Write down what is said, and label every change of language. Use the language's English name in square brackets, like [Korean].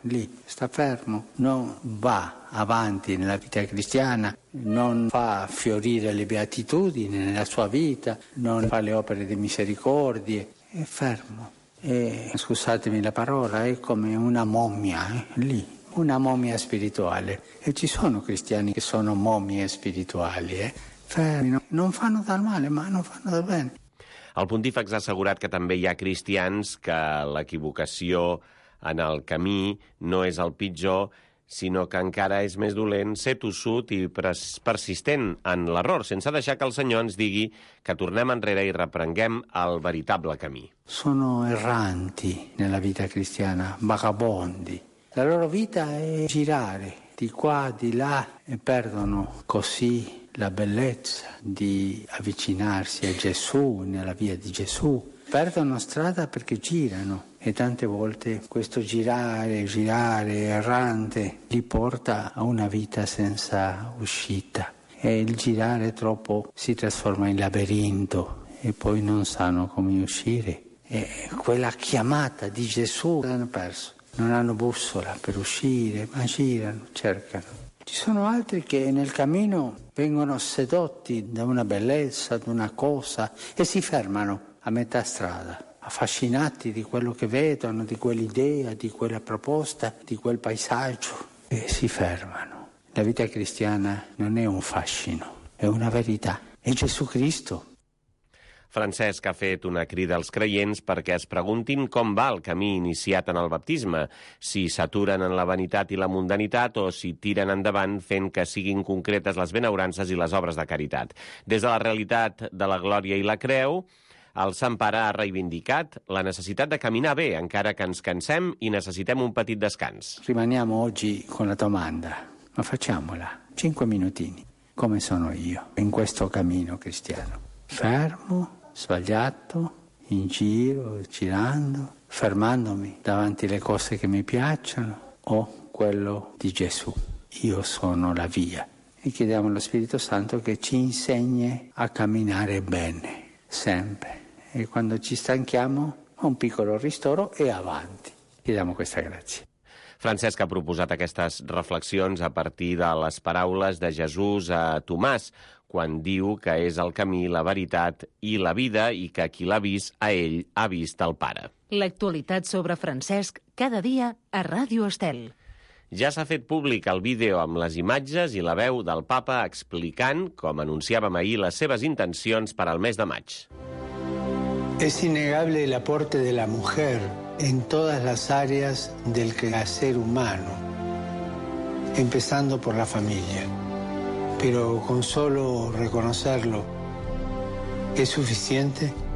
[Italian] Lì sta fermo, non va avanti nella vita cristiana, non fa fiorire le beatitudini nella sua vita, non fa le opere di misericordia, è fermo. E, scusatemi la parola, è come una mommia, lì, una mommia spirituale. E ci sono cristiani che sono mommie spirituali, fermi, non fanno dal male, ma non fanno dal bene. [Catalan] El pontífex ha assegurat que també hi ha cristians que l'equivocació en el camí no és el pitjor, sinó que encara és més dolent ser tossut i persistent en l'error, sense deixar que el Senyor ens digui que tornem enrere i reprenguem el veritable camí. [Italian] Sono erranti nella vita cristiana, vagabondi. La loro vita è girare di qua, di là, e perdono così la bellezza di avvicinarsi a Gesù, nella via di Gesù. Perdono strada perché girano, e tante volte questo girare errante li porta a una vita senza uscita, e il girare troppo si trasforma in labirinto e poi non sanno come uscire. E quella chiamata di Gesù l'hanno perso, non hanno bussola per uscire, ma girano, cercano. Ci sono altri che nel cammino vengono sedotti da una bellezza, da una cosa, e si fermano a metà strada, affascinati di quello che vedono, di quell'idea, di quella proposta, di quel paesaggio, e si fermano. La vita cristiana non è un fascino, è una verità. È Gesù Cristo. [Catalan] Francesc ha fet una crida als creients perquè es preguntin com va el camí iniciat en el baptisme, si s'aturen en la vanitat i la mundanitat o si tiren endavant fent que siguin concretes les benaurances i les obres de caritat. Des de la realitat de la glòria i la creu, el Sant Pare ha reivindicat la necessitat de caminar bé, encara que ens cansem i necessitem un petit descans. [Italian] Rimaniamo oggi con la domanda, ma facciamola, 5 minutini, come sono io in questo cammino cristiano? Fermo, sbagliato, in giro, girando, fermandomi davanti alle cose che mi piacciono, o quello di Gesù. Io sono la via. E chiediamo allo Spirito Santo che ci insegni a camminare bene, sempre. E quando ci stanchiamo, un piccolo ristoro e avanti. Chiediamo questa grazia. [Catalan] Francesc ha proposat aquestes reflexions a partir de les paraules de Jesús a Tomàs, quan diu que és el camí, la veritat i la vida, i que qui l'ha vist a ell ha vist el Pare. L'actualitat sobre Francesc, cada dia a Ràdio Estel. Ja s'ha fet públic el vídeo amb les imatges i la veu del Papa explicant, com anunciàvem ahir, les seves intencions per al mes de maig. [Spanish] Es innegable el aporte de la mujer en todas las áreas del quehacer humano, empezando por la familia. Pero con solo reconocerlo, ¿es suficiente?